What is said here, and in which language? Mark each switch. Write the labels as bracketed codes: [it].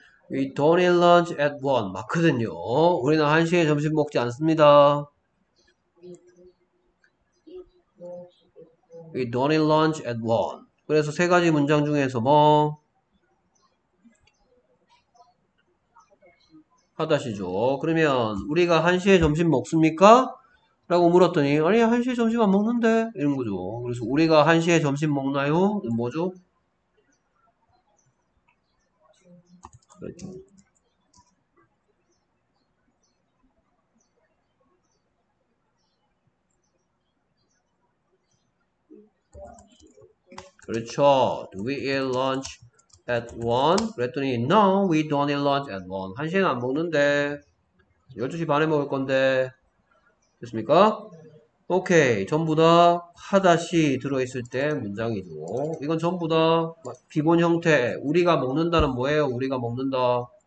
[en] We don't eat lunch at one. [ko] 맞거든요. 우리는 1시에 점심 먹지 않습니다. [en] We don't eat lunch at one. [ko] 그래서 세 가지 문장 중에서 뭐? 하다시죠. 그러면 우리가 1시에 점심 먹습니까? 라고 물었더니 아니 1시에 점심 안 먹는데? 이런 거죠. 그래서 우리가 1시에 점심 먹나요? 뭐죠? 그렇죠. [en] Do we eat lunch at one? [ko] 그랬더니 [en] No, we don't eat lunch at one. [ko] 1시에는 안 먹는데 12시 반에 먹을 건데. 됐습니까? 오케이. 전부 다 하다시 들어있을 때 문장이죠. 이건 전부 다 기본 형태. 우리가 먹는다는 뭐예요? 우리가 먹는다.